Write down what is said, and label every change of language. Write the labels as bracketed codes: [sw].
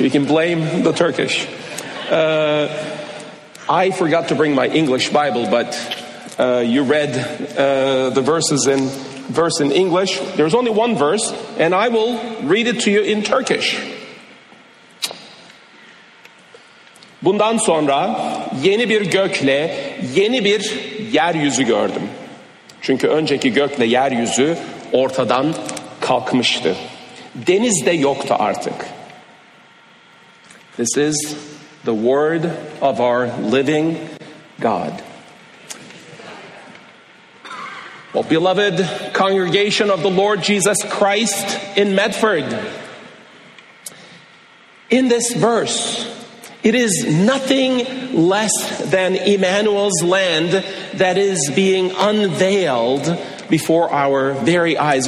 [en] You can blame the Turkish. I forgot to bring my English Bible, but you read the verse in English. There's only one verse, and I will read it to you in Turkish. [tr] Bundan sonra yeni bir gökle yeni bir yeryüzü gördüm. Çünkü önceki gökle yeryüzü ortadan kalkmıştı. Deniz de yoktu artık. [en] This is the word of our living God. Well, beloved congregation of the Lord Jesus Christ in Medford, in this verse, it is nothing less than Emmanuel's land that is being unveiled before our very eyes.